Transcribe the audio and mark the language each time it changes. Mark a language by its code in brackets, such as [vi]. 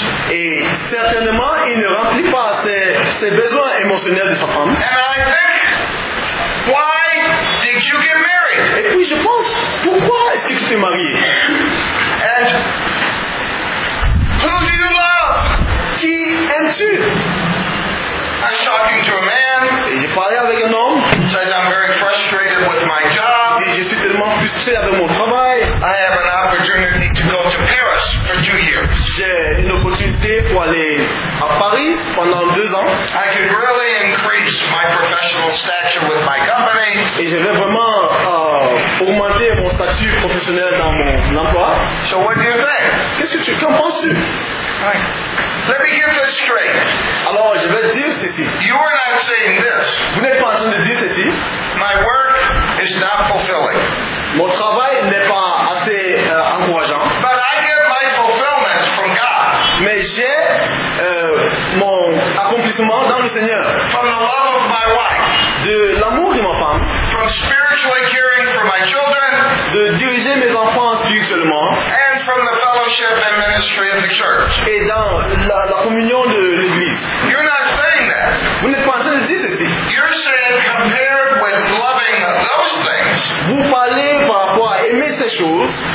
[fr] Et certainement, il ne remplit pas ses besoins émotionnels de sa femme. [en] And I think, why did you get married? [fr] Et puis je pense, pourquoi est-ce que tu t'es marié? [en] And who do you love? [fr] Qui aimes-tu? [en] I'm talking to a man. [fr] Et j'ai parlé avec un homme. [en] He says I'm very frustrated with my job. [fr] Et je suis tellement frustré avec mon travail. [en] I have an opportunity to go to Paris for 2 years. [fr] J'ai une opportunité pour aller à Paris pendant 2 ans. [en] I could really increase my professional stature with my company. [fr] Et je vais vraiment augmenter mon statut professionnel dans mon emploi. [en] So what do you think? [fr] Qu'en penses-tu? [en] Let me get this straight. [fr] Alors, je vais dire ceci. [en] You are not saying this. [fr] Vous n'êtes pas en train de dire ceci. [en] My work is not fulfilling. [fr] Mon travail n'est pas assez encourageant. [en] But I get my fulfillment from God. [fr] Mais j'ai mon accomplissement dans le Seigneur. [en] From the love of my wife. [fr] De l'amour de ma femme. [en] From spiritually caring for my children. [fr] De diriger mes enfants spirituellement. [en] And from the fellowship and ministry of the church. [fr] Et dans la communion de l'église. [en] You're not saying that. [fr] Vous n'êtes pas en train de dire ceci. [en] You're saying compared with loving those things. [fr] Vous parlez par rapport à aimer ces choses.